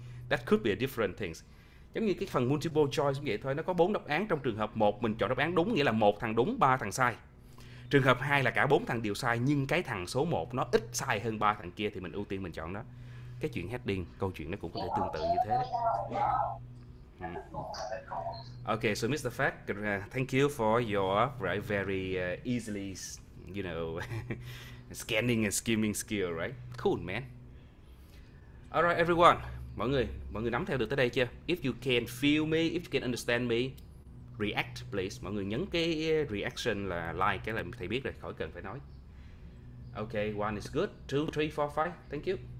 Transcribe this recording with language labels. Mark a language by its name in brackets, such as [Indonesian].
[English] That could be a different things. [Vietnamese] Giống như cái phần multiple choice cũng vậy thôi, nó có bốn đáp án. Trong trường hợp một mình chọn đáp án đúng, nghĩa là một thằng đúng, ba thằng sai. Trường hợp hai là cả bốn thằng đều sai, nhưng cái thằng số một nó ít sai hơn ba thằng kia, thì mình ưu tiên mình chọn nó. Cái chuyện heading, câu chuyện nó cũng có thể tương tự như thế đấy. [English] Ok, so Mr. Fact, thank you for your very easily, you know, scanning and skimming skill, right? Cool, man. Alright, everyone. [Vietnamese] Mọi người nắm theo được tới đây chưa? [English] If you can feel me, if you can understand me, react, please. [Vietnamese] Mọi người nhấn cái reaction là like, cái là thầy biết rồi, khỏi cần phải nói. [English] Ok, one is good. Two, three, four, five. Thank you.